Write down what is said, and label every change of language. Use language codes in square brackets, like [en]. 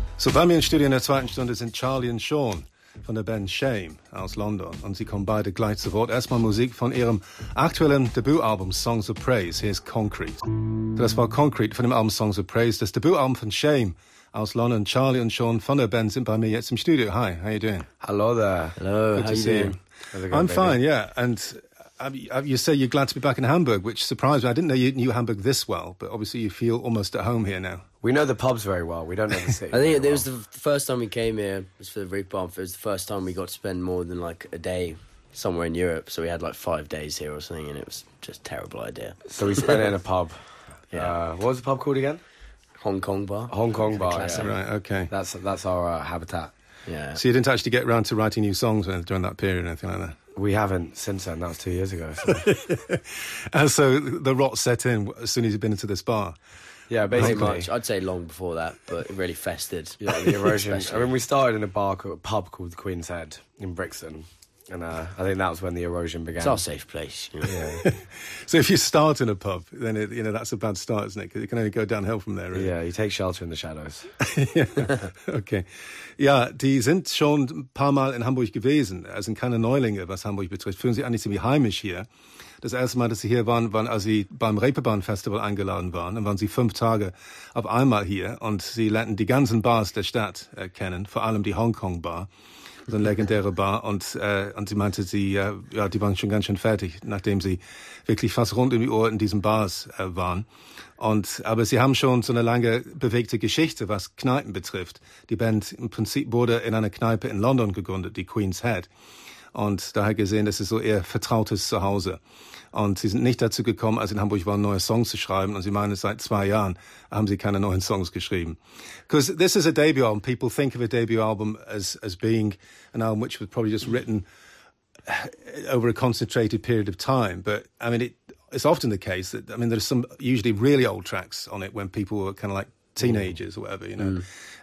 [de] So bei mir im Studio in der zweiten Stunde sind Charlie und Sean von der Band Shame aus London. Und sie kommen beide gleich zu Wort. Erstmal Musik von ihrem aktuellen Debütalbum Songs of Praise. Hier ist Concrete. Das war Concrete von dem Album Songs of Praise. Das Debütalbum von Shame aus London. Charlie und Sean von der Band sind bei mir jetzt im Studio. [en] Hi, how you doing? Hello there. Hello, good how to see you? I'm fine, yeah. And you say you're glad to be back in Hamburg, which surprised me. I didn't know you knew Hamburg this well, but obviously you feel almost at home here now. We know the pubs very well. We don't know the city. I think it well. Was the first time we came here. It was for the Reeper Bump. It was the first time we got to spend more than like a day somewhere in Europe. So we had like 5 days here or something, and it was just a terrible idea. So we spent it in a pub. Yeah. What was the pub called again? Hong Kong Bar. Hong Kong Bar, yeah. Right, okay. That's our habitat. Yeah. So you didn't actually get around to writing new songs during that period or anything like that? We haven't since then. That was 2 years ago. So. And so the rot set in as soon as you've been into this bar. Yeah, basically. Much. I'd say long before that, but it really festered. Yeah, the erosion. I mean, we started in a pub called the Queen's Head in Brixton. And I think that was when the erosion began. It's our safe place. You know? So if you start in a pub, then that's a bad start, isn't it? Because it can only go downhill from there, really. Yeah, you take shelter in the shadows. Yeah. Okay. [de] Yeah, die sind schon ein paar Mal in Hamburg gewesen, also keine Neulinge, was Hamburg betrifft. Fühlen sich eigentlich ziemlich heimisch hier. Das erste Mal, dass sie hier waren, waren, als sie beim Reeperbahn-Festival eingeladen waren. Dann waren sie 5 Tage auf einmal hier und sie lernten die ganzen Bars der Stadt kennen, vor allem die Hongkong-Bar. So eine legendäre Bar und sie meinte, die waren schon ganz schön fertig, nachdem sie wirklich fast rund um die Uhr in diesen Bars waren. Und aber sie haben schon so eine lange bewegte Geschichte, was Kneipen betrifft. Die Band im Prinzip wurde in einer Kneipe in London gegründet, die Queen's Head. Und daher gesehen, das ist so ihr vertrautes Zuhause. Und sie sind nicht dazu gekommen, als in Hamburg waren, neue Songs zu schreiben. Und sie meinen, seit 2 Jahren haben sie keine neuen Songs geschrieben. [en] Because this is a debut album. People think of a debut album as being an album which was probably just written over a concentrated period of time. But, I mean, it's often the case that, I mean, there's some usually really old tracks on it when people were kind of like teenagers or whatever, you know. Mm.